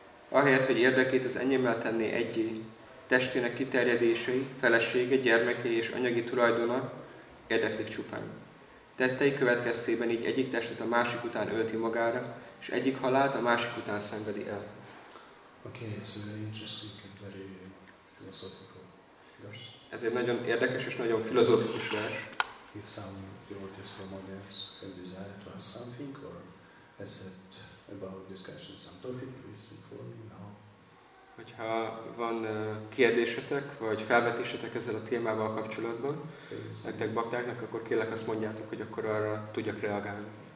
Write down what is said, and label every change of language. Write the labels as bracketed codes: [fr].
[hu] Ahelyett, hogy érdekét az enyémmel tenné egyé, testének kiterjedései, felesége, gyermekei és anyagi tulajdona érdeklik csupán. Tettei következtében így egyik testet a másik után ölti magára, és egyik halált a másik után szenvedi el. [en] Okay, so very interesting and very philosophical verse. [hu] Ez egy nagyon érdekes és nagyon filozófikus vers. [en] If some devotees from others have desire to ask something or accept about discussion some topic, please inform me now. [hu] Hogyha van kérdésetek, vagy felvetésetek ezzel a témával kapcsolatban, nektek baktáknak, akkor kérlek azt mondjátok, hogy akkor arra tudjak reagálni.